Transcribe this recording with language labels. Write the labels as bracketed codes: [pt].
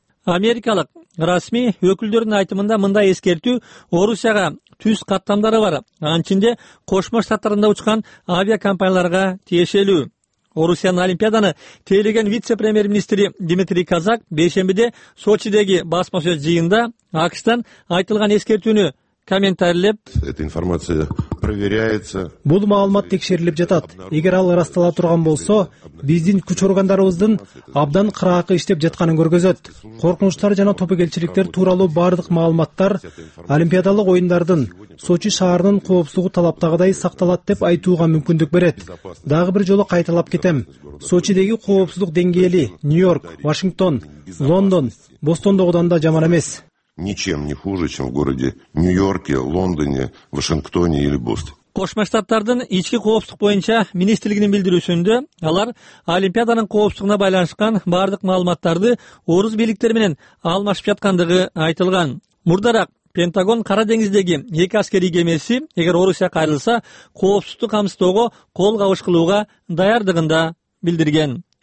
[ky] Америкалык расмий өкүлдөрүнүн айтымында мындай эскертүү Орусияга түз каттамдары бар, анчинде Кошмо Штаттарында учкан авиакомпанияларга тиешелүү. Орусиянын олимпиаданы тээлеген вице премьер министри Дмитрий Казак бейшембиде Сочидеги басма сөз жыйында АКШтан айтылган эскертүүнү комментарийлеп. [ru] Эта информация проверяется. [ky] Бул маалымат текшерилип жатат. Эгер ал ырастала турган болсо, биздин күч органдарыбыздын абдан кыраакы иштеп жатканын көргөзөт. Коркунучтар жана топокелчиликтер тууралуу бардык маалыматтар олимпиадалык оюндардын Сочи шаарынын коопсуздугу талаптагыдай сакталат деп айтууга мүмкүндүк берет. Дагы бир жолу кайталап кетем. Сочидеги коопсуздук деңгээли Нью-Йорк, Вашингтон, Лондон, Бостондогудан да жаман эмес. [ru] Ничем не хуже, чем в городе Нью-Йорке, Лондоне, Вашингтоне или Бостоне. [ky] Кошмо Штаттардын ички коопсуздук боюнча министрлигинин билдирүүсүндө алар олимпиаданын коопсуздугуна байланышкан бардык маалыматтарды орус бийликтери менен алмашып жаткандыгы айтылган. Мурдараак Пентагон Кара деңиздеги эки аскерий кемеси эгер Орусия кайрылса, коопсуздукту камсыздоого кол кабыш кылууга даярдыгын да билдирген.